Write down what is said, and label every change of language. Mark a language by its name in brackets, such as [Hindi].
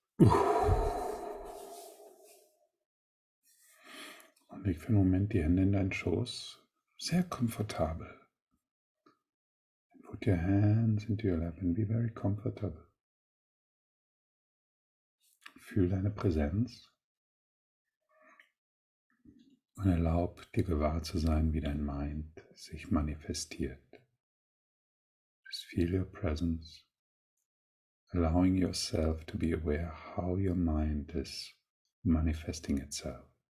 [German] Leg für einen Moment die Hände in deinen Schoß. Sehr komfortabel. [English] And put your hands into your lap and be very comfortable. [German] Fühl deine Präsenz. Und erlaub dir gewahr zu sein, wie dein Mind sich manifestiert. [English] Just feel your presence. Allowing yourself to be aware how your mind is manifesting itself.